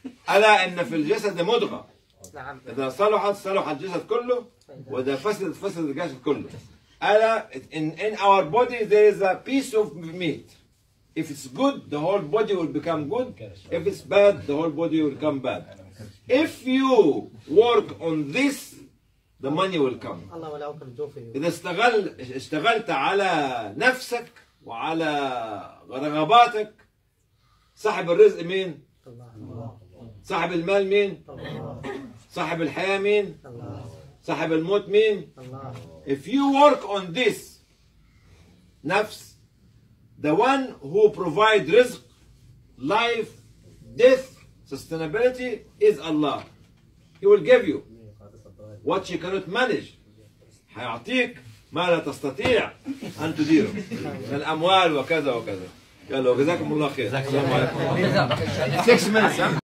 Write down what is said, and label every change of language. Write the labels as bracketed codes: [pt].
[ar] ألا إن في الجسد مدغة، إذا صلحت صلحت الجسد كله، وإذا فسدت فسدت الجسد كله. [en] ألا in our body there is a piece of meat. If it's good, the whole body will become good. If it's bad, the whole body will become bad. If you work on this, the money will come. [ar] الله ولا أكل جوفي. إذا اشتغلت على نفسك وعلى رغباتك، صاحب الرزق مين؟ الله. صاحب المال مين؟ الله. صاحب الحياة مين؟ الله. صاحب الموت مين؟ الله. [en] If you work on this نفس، the one who provide رزق، life، death، sustainability is Allah. He will give you what you cannot manage. [ar] حيعطيك ما لا تستطيع أن تديره من الأموال وكذا وكذا. يلا جزاكم الله خير. [en] 6 minutes.